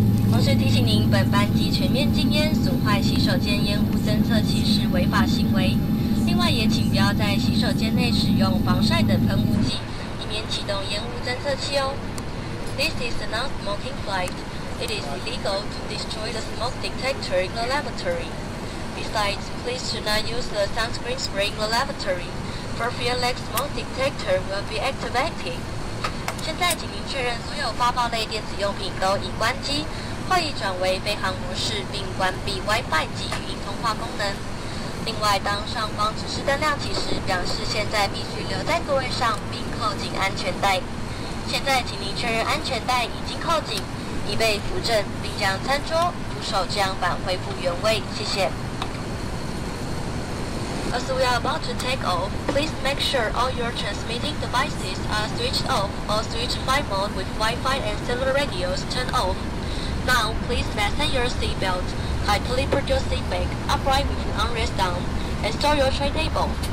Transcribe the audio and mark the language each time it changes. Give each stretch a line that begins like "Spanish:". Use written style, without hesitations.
Chinese: 同时提醒您，本班机全面禁烟，损坏洗手间烟雾侦测器是违法行为。另外，也请不要在洗手间内使用防晒的喷雾剂，以免启动烟雾侦测器哦。
English: This is a non-smoking flight. It is illegal to destroy the smoke detector in the lavatory. Besides, please do not use the sunscreen spray in the lavatory, for fear the smoke detector will be activated.
Chinese: 现在请您确认所有发泡类电子用品都已关机，或已转为飞行模式，并关闭 Wi-Fi 及语音通话功能。另外，当上方指示灯亮起时，表示现在必须留在座位上并扣紧安全带。现在请您确认安全带已经扣紧。已被扶正，并将餐桌、扶手遮阳板恢复原位，谢谢。
English: As we are about to take off, please make sure all your transmitting devices are switched off or switch flight mode with Wi-Fi and cellular radios turned off. Now, please fasten your seatbelt, tightly put your seatbelt upright with an armrest down, and store your tray table.